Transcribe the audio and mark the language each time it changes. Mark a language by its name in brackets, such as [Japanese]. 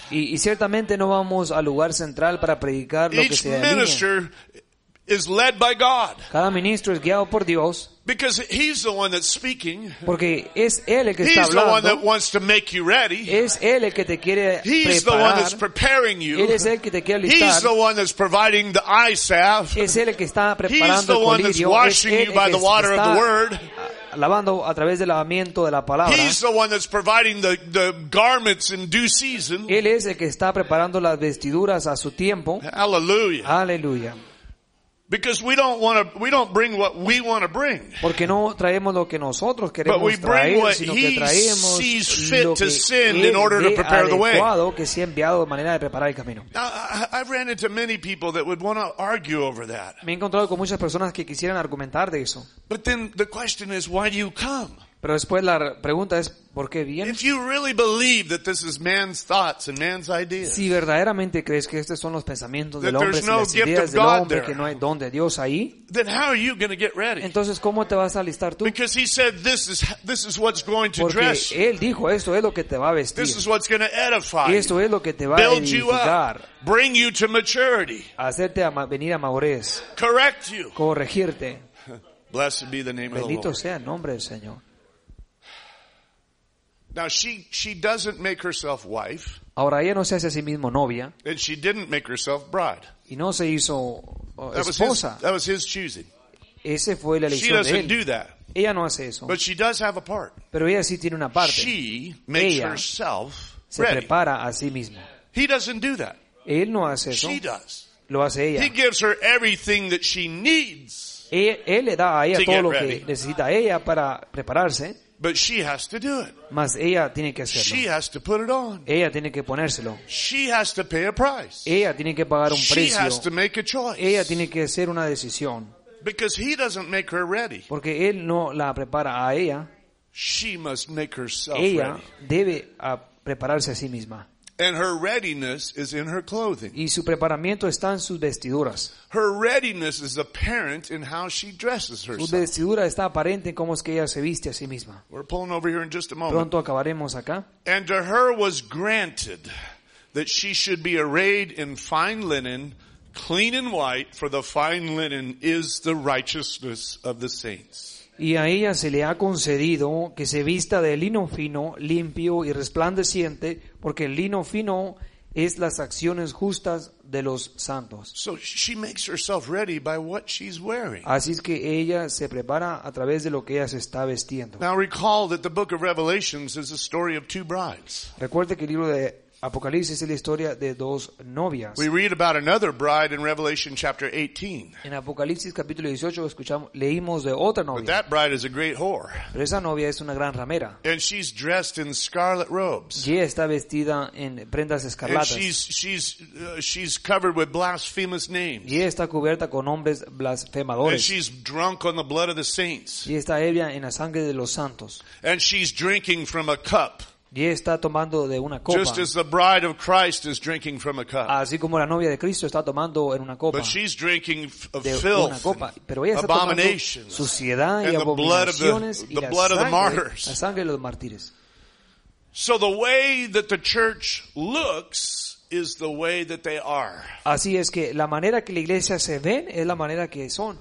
[Spanish] Y ciertamente no vamos al lugar central para predicar lo que se [English] alinee. Is led by God. [Spanish] Cada ministro es guiado por Dios. [English] Because he's the one that's speaking. [Spanish] Porque es él el que está hablando. [English] He's the one that wants to make you ready. [Spanish] Es él el que te quiere preparar. [English] He's the one that's preparing you. [Spanish] Él es el que te quiere alistar. [English] He's the one that's providing the eye salve. [Spanish] Es él el que está preparando el colirio. [English] He's the one that's washing you by the water of the word. [Spanish] Lavando a través del lavamiento de la palabra. [English] He's the one that's providing the garments in due season. [Spanish] Él es el que está preparando las vestiduras a su tiempo. [English] Hallelujah. [Spanish] Hallelujah. [English] Because we don't bring what we want to bring. [Spanish] Porque no traemos lo que nosotros queremos traer, sino que traemos [English] lo que he sees fit to send in order to prepare the way. [Spanish] Que sea enviado de manera de preparar el camino. [English] I've ran into many people that would want to argue over that. [Spanish] Me he encontrado con muchas personas que quisieran argumentar de eso. [English] But then the question is, why do you come? [Spanish] Pero después la pregunta es, ¿por qué vienes? [English] If you really believe that this is man's thoughts and man's ideas. [Spanish] Si verdaderamente crees que estos son los pensamientos del hombre, si las ideas del hombre, que no hay don de Dios ahí. [English] Then how are you going to get ready? [Spanish] Entonces, ¿cómo te vas a alistar tú? [English] Because he said this is what's going to dress. [Spanish] Porque él dijo, esto es lo que te va a vestir. [English] This is what's going to edify. [Spanish] Esto es lo que te va a edificar. [English] Bring you to maturity. [Spanish] Hacerte venir a madurez. [English] Correct you. [Spanish] Corregirte. [English] Blessed be the name of the Lord. [Spanish] Bendito sea el nombre del Señor. [English] Now she doesn't make herself wife. [Spanish] Ahora ella no se hace a sí misma novia. [English] And she didn't make herself bride. [Spanish] Y no se hizo esposa. [English] That was his choosing. [Spanish] Ese fue la elección de él. [English] She doesn't do that. [Spanish] Ella no hace eso. [English] But she does have a part. [Spanish] Pero ella sí tiene una parte. [English] She makes herself ready. [Spanish] Se prepara a sí misma. [English] He doesn't do that. [Spanish] Él no hace eso. [English] She does. [Spanish] Lo hace ella. [English] He gives her everything that she needs. [Spanish] Él le da a ella todo lo que necesita ella para prepararse. [English] But she has to do it. [Spanish] Mas ella tiene que hacerlo. [English] She has to put it on. [Spanish] Ella tiene que ponérselo. [English] She has to pay a price. [Spanish] Ella tiene que pagar un precio. [English] She has to make a choice. [Spanish] Ella tiene que hacer una decisión. [English] Because he doesn't make her ready. [Spanish] Porque él no la prepara a ella. [English] She must make herself ready. [Spanish] Ella debe prepararse a sí misma. [English] And her readiness is in her clothing. [Spanish] Y su preparamiento está en sus vestiduras. [English] Her readiness is apparent in how she dresses herself. [Spanish] Su vestidura está aparente en cómo es que ella se viste a sí misma. [English] We're pulling over here in just a moment. [Spanish] Pronto acabaremos acá. [English] And to her was granted that she should be arrayed in fine linen, clean and white, for the fine linen is the righteousness of the saints. [Spanish] Y a ella se le ha concedido que se vista de lino fino, limpio y resplandeciente, porque el lino fino es las acciones justas de los santos. [English] So she makes herself ready by what she's wearing. [Spanish] Así es que ella se prepara a través de lo que ella se está vestiendo. [English] Now recall that the book of Revelations is a story of two brides. [Spanish] Recuerde que el libro de Apocalipsis es la historia de dos novias. [English] We read about another bride in Revelation chapter 18. [Spanish] En Apocalipsis capítulo 18 leímos de otra novia. [English] But that bride is a great whore. [Spanish] Pero esa novia es una gran ramera. [English] And she's dressed in scarlet robes. [Spanish] Y ella está vestida en prendas escarlatas. [English] And she's covered with blasphemous names. [Spanish] Y ella está cubierta con nombres blasfemadores. [English] And she's drunk on the blood of the saints. [Spanish] Y está ebria en la sangre de los santos. [English] And she's drinking from a cup. [Spanish] Y está tomando de una copa. [English] Just as the bride of Christ is drinking from a cup. [Spanish] Así como la novia de Cristo está tomando en una copa. [English] But she's drinking of [Spanish] de [English] filth [Spanish] una copa. Pero ella está tomando suciedad y abominaciones y la sangre de los mártires. [English] So the way that the church looks is the way that they are. [Spanish] Así es que la manera que la iglesia se ven es la manera que son.